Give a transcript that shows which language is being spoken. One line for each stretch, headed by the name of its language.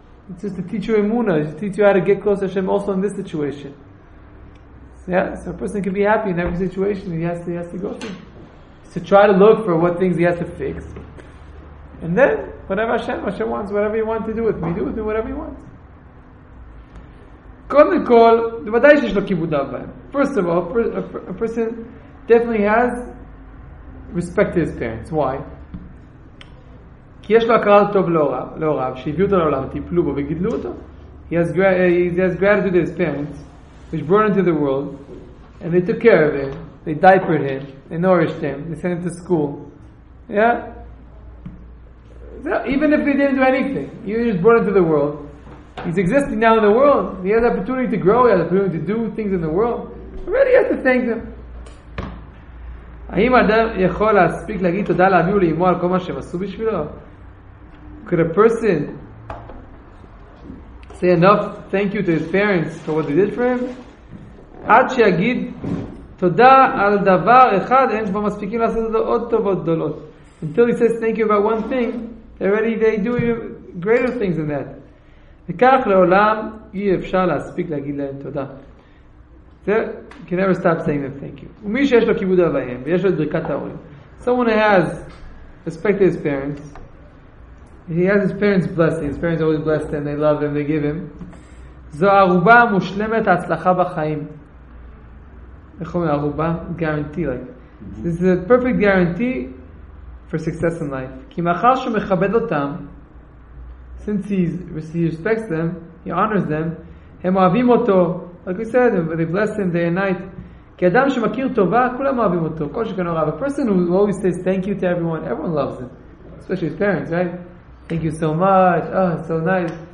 English: It's just to teach you emunah. It's to teach you how to get close to Hashem also in this situation. Yeah? So a person can be happy in every situation that he has to go through. It's to try to look for what things he has to fix. And then, whatever Hashem wants, whatever he wants to do with me, do with me whatever he wants.
Hebrew: קודם כל, ודאי שיש לו כיבודיו בהם.
English: First of all, a person definitely has respect to his parents. Why?
Hebrew: כי יש לו הכרת טוב להוריו, שהביאו אותו לעולם, טיפלו בו וגידלו אותו.
English: He has gratitude to his parents, which brought him to the world, and they took care of him, they diapered him, they nourished him, they sent him to school. Yeah? So even if he didn't do anything, he was just brought into the world. He's existing now in the world. He has the opportunity to grow. He has the opportunity to do things in the world. Already has to thank them.
Hebrew: האם אדם יכול להספיק להגיד תודה לאביו ולאמו על כל מה שהם עשו בשבילו?
English: Could a person say enough thank you to his parents for what they did for him?
Hebrew: עד שיגיד תודה על דבר אחד, אין שבו מספיקים לעשות אותו עוד טובות גדולות.
English: Until he says thank you about one thing, already they do greater things than that.
Hebrew: וכך לעולם אי אפשר להספיק להגיד להם תודה.
English: זה, you can never stop saying them thank you.
Hebrew: ומי שיש לו כיבוד אביהם, ויש לו את ברכת ההורים.
English: Someone has respect to his parents. He has his parents' blessing. His parents always bless them, they love them, they give him.
Hebrew: זו ערובה מושלמת ההצלחה בחיים. איך אומר ערובה?
English: Guarantee, like. This is a perfect guarantee for success in life.
Hebrew: כי מאחר שהוא מכבד אותם,
English: since he respects them, he honors them,
Hebrew: הם אוהבים אותו,
English: like we said, they bless him day and night.
Hebrew: כי אדם שמכיר טובה, כולם אוהבים אותו, כל שכן אוהב.
English: A person who always says thank you to everyone, everyone loves him, especially his parents, right? Thank you so much. Oh, so nice.